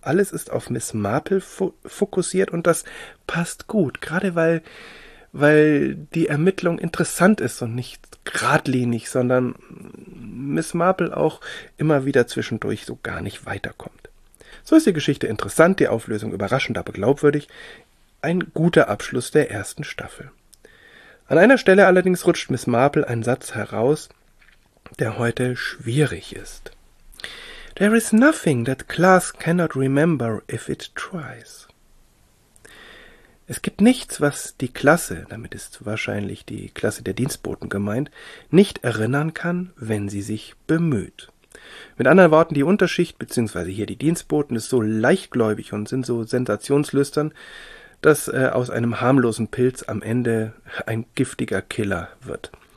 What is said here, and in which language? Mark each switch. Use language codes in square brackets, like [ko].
[de] Alles ist auf Miss Marple fokussiert und das passt gut, gerade weil die Ermittlung interessant ist und nicht geradlinig, sondern Miss Marple auch immer wieder zwischendurch so gar nicht weiterkommt. So ist die Geschichte interessant, die Auflösung überraschend, aber glaubwürdig. ein guter Abschluss der ersten Staffel. An einer Stelle allerdings rutscht Miss Marple ein Satz heraus, der heute schwierig ist. [en] There is nothing that class cannot remember if it tries. [de] Es gibt nichts, was die Klasse, damit ist wahrscheinlich die Klasse der Dienstboten gemeint, nicht erinnern kann, wenn sie sich bemüht. Mit anderen Worten, die Unterschicht, beziehungsweise hier die Dienstboten, ist so leichtgläubig und sind so sensationslüstern, dass aus einem harmlosen Pilz am Ende ein giftiger Killer wird.